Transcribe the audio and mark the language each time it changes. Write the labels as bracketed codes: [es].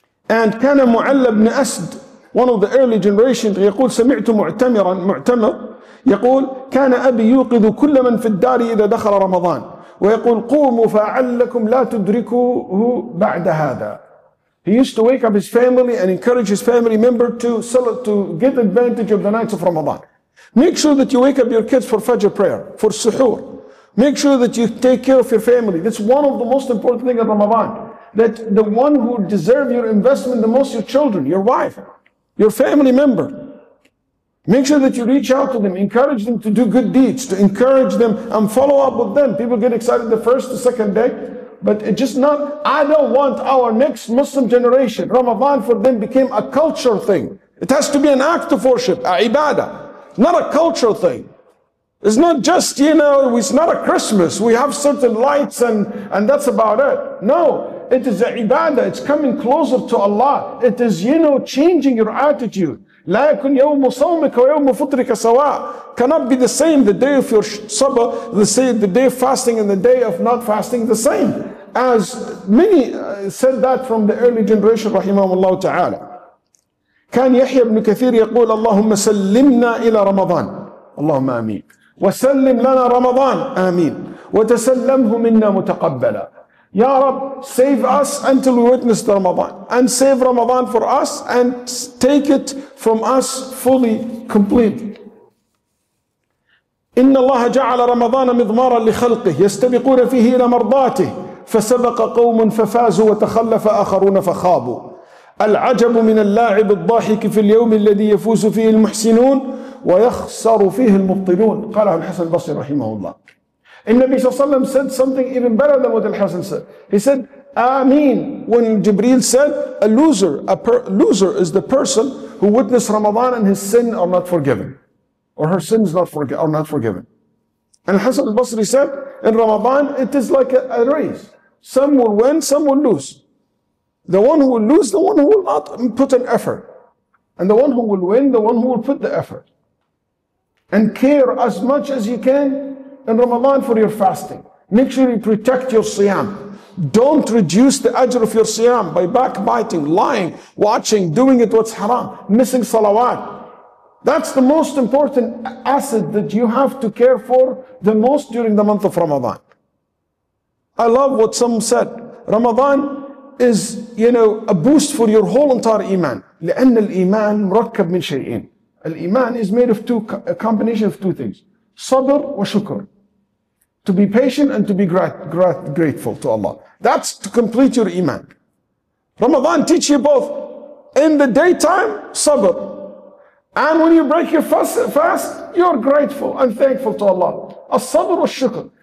[en] And [ar] كان معل بن أسد, [en] one of the early generation, [ar] يقول سمعت معتمرا معتمر يقول كان أبي يوقظ كل من في الدار إذا دخل رمضان ويقول قوموا فعلكم لا تدركوه بعد هذا. [en] He used to wake up his family and encourage his family member to get advantage of the nights of Ramadan. Make sure that you wake up your kids for Fajr prayer, for Suhoor. Make sure that you take care of your family. That's one of the most important things of Ramadan. That the one who deserves your investment the most, your children, your wife, your family member. Make sure that you reach out to them, encourage them to do good deeds, to encourage them and follow up with them. People get excited the first, the second day. But it just not, I don't want our next Muslim generation, Ramadan for them became a cultural thing. It has to be an act of worship, a ibadah, not a cultural thing. It's not just, you know, it's not a Christmas. We have certain lights and that's about it. No, it is a ibadah. It's coming closer to Allah. It is, you know, changing your attitude. [ar] لا يكون يوم صومك ويوم فطرك سواء. [en] Cannot be the same, the day of your sabr, the day of fasting and the day of not fasting the same. As many said that from the early generation, [ar] رحمه الله تعالى. كان يحيى بن كثير يقول اللهم سلمنا إلى رمضان. اللهم آمين. وسلم لنا رمضان. آمين. وتسلمه منا متقبلا. يا رب, [en] save us until we witness the Ramadan. And save Ramadan for us and take it from us fully, completely. [ar] إن الله جعل رمضان مضمارا لخلقه يستبقون فيه إلى مرضاته فسبق قوم ففازوا وتخلف آخرون فخابوا العجب من اللاعب الضاحك في اليوم الذي يفوز فيه المحسنون ويخسر فيه المبطلون. قاله الحسن البصري رحمه الله. النبي صلى الله عليه وسلم [en] said something even better than what Al-Hasan said. He said, Ameen. When Jibreel said, a loser is the person who witnessed Ramadan and his sin are not forgiven. Or her sins are not forgiven. And Al-Hasan al-Basri said, in Ramadan, it is like a race. Some will win, some will lose. The one who will lose, the one who will not put an effort. And the one who will win, the one who will put the effort. And care as much as you can in Ramadan for your fasting. Make sure you protect your siyam. Don't reduce the ajr of your siyam by backbiting, lying, watching, doing it what's haram, missing salawat. That's the most important asset that you have to care for the most during the month of Ramadan. I love what some said. Ramadan is, you know, a boost for your whole entire iman. [ar] لأن الإيمان مركب من شيئين. [en] الإيمان is made of a combination of two things. [ar] صبر وشكر. [en] To be patient and to be grateful to Allah. That's to complete your iman. Ramadan teaches you both. In the daytime, sabr. And when you break your fast, you're grateful and thankful to Allah. [ar] As-sabr wa-shukr.